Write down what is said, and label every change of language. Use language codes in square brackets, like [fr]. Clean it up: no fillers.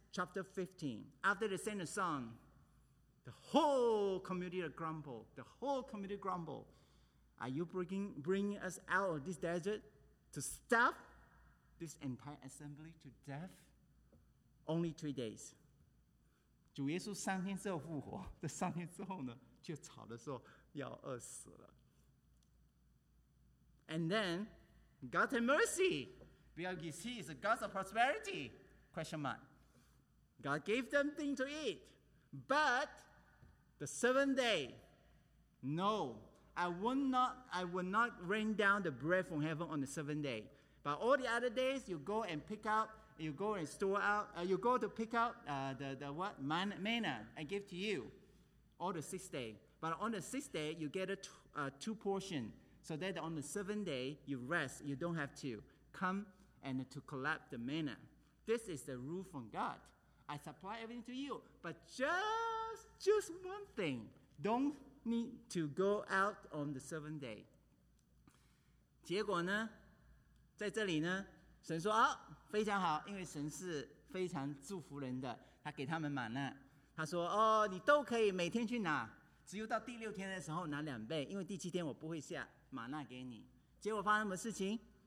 [en] chapter 15, after they sang the song, the whole community grumbled. The whole community grumbled. Are you bringing us out of this desert to starve this entire assembly to death? Only 3 days. [zh] 主耶稣三天之后复活，这三天之后呢，就吵着说要饿死了。 [en] And then, God had mercy. Because he is a God of prosperity. Question mark. God gave them things to eat. But the seventh day, no, I will not rain down the bread from heaven on the seventh day. But all the other days, you go and pick up, you go and store out, you go to pick out the manna and give to you all the sixth day. But on the sixth day, you get two portions, so that on the seventh day, you rest. You don't have to come and to collect the manna. This is the rule from God. I supply everything to you, but just one thing. Don't need to go out on the seventh day. [zh] 结果呢，在这里呢，神说，非常好，因为神是非常祝福人的，他给他们满了。他说，你都可以每天去拿，只有到第六天的时候拿两倍，因为第七天我不会下玛纳给你。结果发生什么事情？